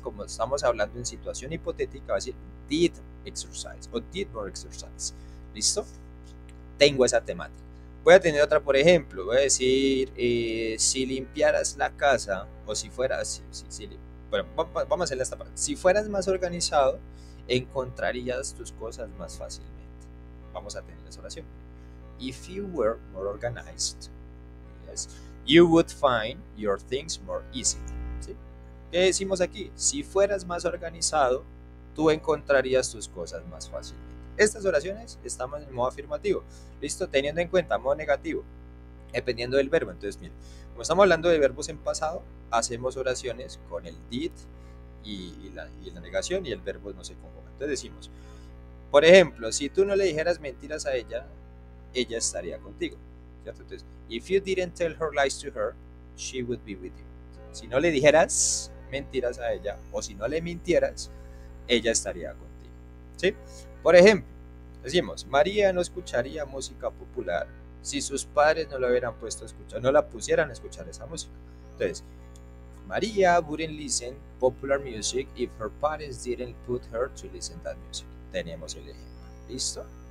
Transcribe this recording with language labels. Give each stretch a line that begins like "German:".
Spanish: Como estamos hablando en situación hipotética, va a decir
English: did exercise
Spanish: o
English: did more exercise.
Spanish: ¿Listo? Tengo esa temática. Voy a tener otra, por ejemplo, voy a decir, si limpiaras la casa, o si fuera así, si, si, Bueno, vamos a hacerle esta parte. Si fueras más organizado, encontrarías tus cosas más fácilmente. Vamos a tener esa oración.
English: If you were more organized, you would find your things more easy.
Spanish: ¿Sí? ¿Qué decimos aquí? Si fueras más organizado, tú encontrarías tus cosas más fácilmente. Estas oraciones estamos en modo afirmativo. ¿Listo? Teniendo en cuenta modo negativo, dependiendo del verbo. Entonces, mira, como estamos hablando de verbos en pasado, hacemos oraciones con el did y la negación y el verbo no se conjuga. Entonces decimos, por ejemplo, si tú no le dijeras mentiras a ella estaría contigo. ¿Cierto?
English: Entonces, if you didn't tell her lies to her, she would be with you.
Spanish: Si no le dijeras mentiras a ella o si no le mintieras, ella estaría contigo. ¿Sí? Por ejemplo, decimos, María no escucharía música popular si sus padres no la hubieran puesto a escuchar, no la pusieran a escuchar esa música.
English: Entonces, María wouldn't listen popular music if her parents didn't put her to listen that music.
Spanish: Tenemos el ejemplo. ¿Listo?